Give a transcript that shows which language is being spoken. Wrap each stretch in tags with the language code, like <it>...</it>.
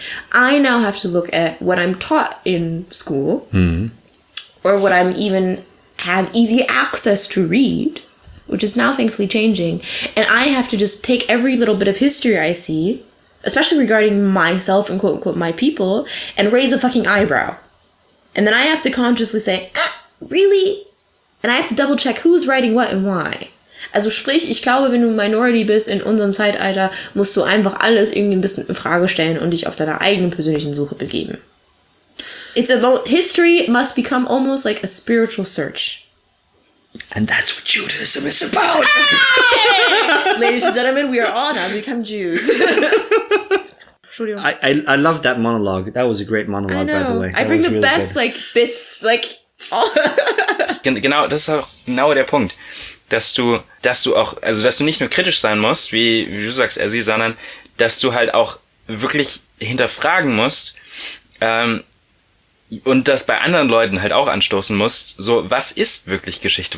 <en>I now have to look at what I'm taught in school, or what I'm even have easy access to read, which is now thankfully changing, and I have to just take every little bit of history I see, especially regarding myself and quote-unquote my people, and raise a fucking eyebrow. And then I have to consciously say, ah, really? And I have to double-check who's writing what and why.</en> <de>Also sprich, ich glaube, wenn du Minority bist in unserem Zeitalter, musst du einfach alles irgendwie ein bisschen in Frage stellen und dich auf deiner eigenen persönlichen Suche begeben.</de> <en>It's about history must become almost like a spiritual search. And that's what Judaism is about. Hey! Ladies and gentlemen, we are all now become Jews. I love that monologue. That was a great monologue, by the way. I bring the really best good. Like bits, like all.</en> <de>Genau, das ist auch genau der Punkt, dass du nicht nur kritisch sein musst, wie du sagst, Ezzy, sondern dass du halt auch wirklich hinterfragen musst. Und das bei anderen Leuten halt auch anstoßen musst, so, was ist wirklich Geschichte?</de>